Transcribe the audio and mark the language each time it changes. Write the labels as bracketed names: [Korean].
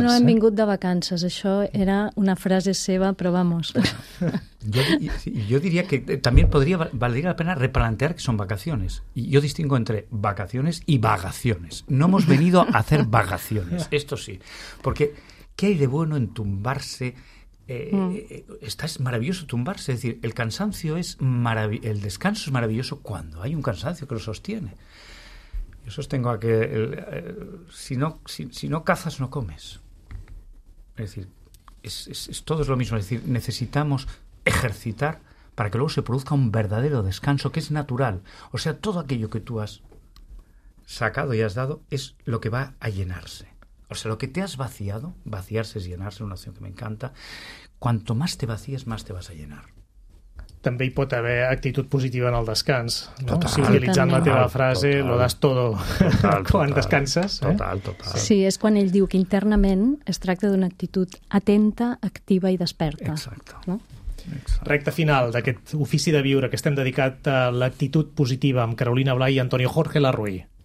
[Catalan] No hem vingut de vacances, això era una frase seva, però vamos. Jo diria que també valdria la pena replantear que són vacaciones. I jo distingo entre vacaciones i vagaciones. [Spanish] No hemos venido a hacer vagaciones, esto sí. Porque, ¿qué hay de bueno en tumbarse? Es maravilloso tumbarse, es decir, el cansancio es el descanso es maravilloso cuando hay un cansancio que lo sostiene. Yo sostengo a que si no cazas, no comes. Es decir, es todo es lo mismo. Es decir, necesitamos ejercitar para que luego se produzca un verdadero descanso, que es natural. O sea, todo aquello que tú has sacado y has dado es lo que va a llenarse. O sea, lo que te has vaciado, vaciarse es llenarse, una acción que me encanta, cuanto más te vacíes, más te vas a llenar. [Catalan] També hi pot haver actitud positiva en el descans, no? Total, sí, utilitzant total, la teva frase, total, [Spanish] lo das todo total, [Catalan] quan total, descanses. Total, total. Sí, és quan ell diu que internament es tracta d'una actitud atenta, activa i desperta. Exacte. No? Exacte. Recte final d'aquest ofici de viure que estem dedicat a l'actitud positiva amb Carolina Blay i Antonio Jorge Larruy.